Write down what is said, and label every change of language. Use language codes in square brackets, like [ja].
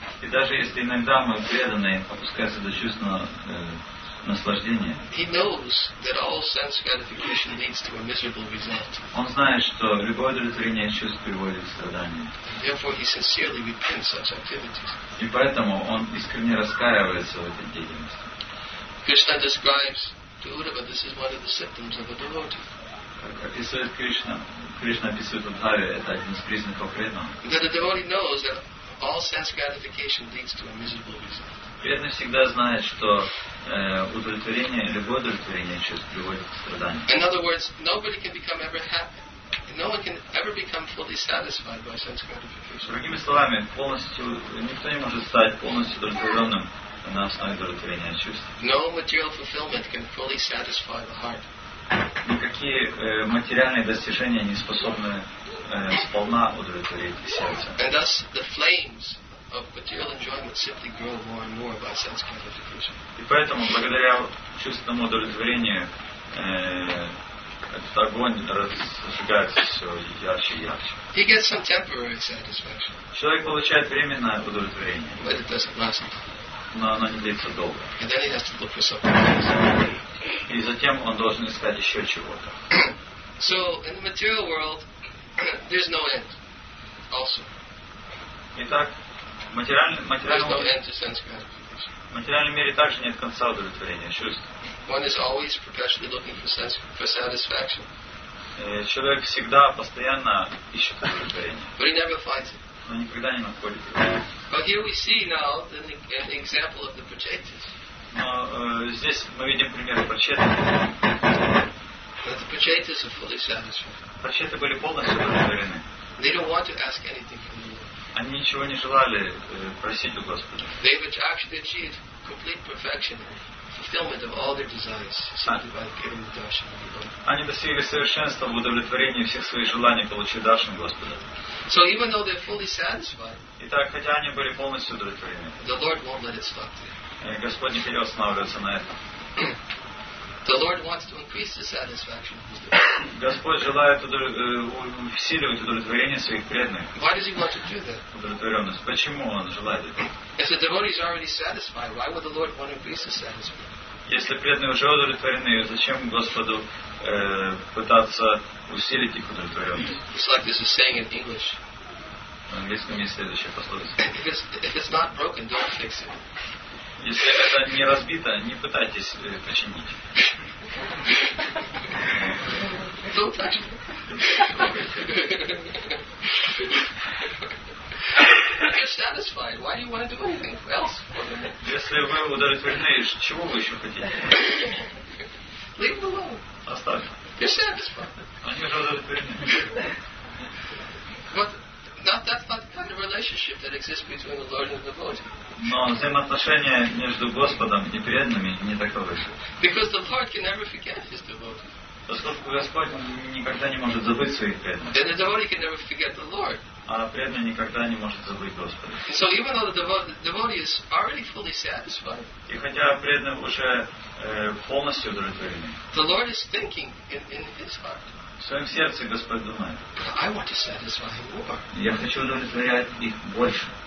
[ru] И даже если иногда мой преданный опускается до чувственного наслаждения. [en] He knows that all sense gratification leads to a miserable result. [ru] Он знает, что любое удовлетворение чувств приводит к страданию. [en] Therefore, he sincerely repents such activities. [ru] И поэтому он искренне раскаивается в этой деятельности. [en] Krishna describes to Uddhava, this is one of the symptoms of a devotee. [ru] Как описывает Кришна, Кришна описывает Уддхаве, это один из признаков преданного. [en] That a devotee knows that all sense gratification leads to a miserable result. [ru] Преданный всегда знает, что удовлетворение, любое удовлетворение чувств приводит к страданию. [en] In other words, nobody can become ever happy. No one can ever become fully satisfied by sense gratification. [ru] Другими словами, полностью никто не может стать полностью удовлетворенным на основе удовлетворения чувств. [en] No material fulfillment can fully satisfy the heart. [ru] никакие материальные достижения не способны сполна удовлетворить сердце. [en] And thus the flames of material enjoyment simply grow more and more by sense gratification. [ru] И поэтому благодаря чувственному удовлетворению этот огонь разжигается все ярче и ярче. [en] He gets some temporary satisfaction. [ru] Человек получает временное удовлетворение. [en] But it doesn't last. [ru] Но оно не длится долго. [en] And then he has to look for something else. [ru] И затем он должен искать еще чего-то. [en] So in the material world, there's no end. Also. [ru] Итак, в материальном мире также нет конца удовлетворения чувств. [en] One is always perpetually looking for sense for satisfaction. [ru] Человек всегда постоянно ищет удовлетворение. [en] But he never finds it. [ru] Но никогда не находит его. [en] But here we see now an example of the projectors. [ru] Но здесь мы видим пример прочеты. [en] But the projectors are fully satisfied. [ru] Прочеты были полностью удовлетворены. [en] They don't want to ask anything from the Lord. [ru] Они ничего не желали просить у Господа. [en] They have actually achieved complete perfection. Fulfillment of all their desires simply by giving the darshan of the Lord. [ru] Они достигли совершенства в удовлетворении всех своих желаний, получив даршан Господа. [en] So even though they're fully satisfied, [ru] итак, хотя они были полностью удовлетворены, [en] the Lord won't let it stop there. [ru] Господь не переостанавливается на этом. [en] The Lord wants to increase the satisfaction. [ru] Господь желает усиливать удовлетворение своих преданных. [en] Why does he want to do that? [ru] Удовлетворенность. Почему он желает этого? [en] If the devotee is already satisfied, why would the Lord want to increase the satisfaction? [ru] Если преданные уже удовлетворены, зачем Господу пытаться усилить их удовлетворенность? [en] It's like this is saying in English. [ru] В английском есть следующая пословица. [en] If it's not broken, don't fix it. [ru] Если это не разбито, не пытайтесь починить. [en] Don't touch it. You're satisfied. Why do you want to do anything else? [ru] Если вы удовлетворены, чего вы еще хотите? [en] Leave it alone. [ru] Оставь. [en] You're satisfied. [ru] Они уже удовлетворены. [en] But not that's not the kind of relationship that exists between the Lord and the devotee. [ru] Но взаимоотношения между Господом и преданными не таковы. [en] Because the Lord can never forget his devotees. [ru] Поскольку Господь никогда не может забыть своих преданных. [en] Then the devotee can never forget the Lord. [ru] А преданный никогда не может забыть Господа. [en] So even though the devotee is already fully satisfied, [ru] и хотя преданный уже полностью удовлетворен, [en] the Lord is thinking in his heart. [ru] В своем сердце Господь думает. [en] I want to satisfy him more. [ru] Я хочу удовлетворять их больше.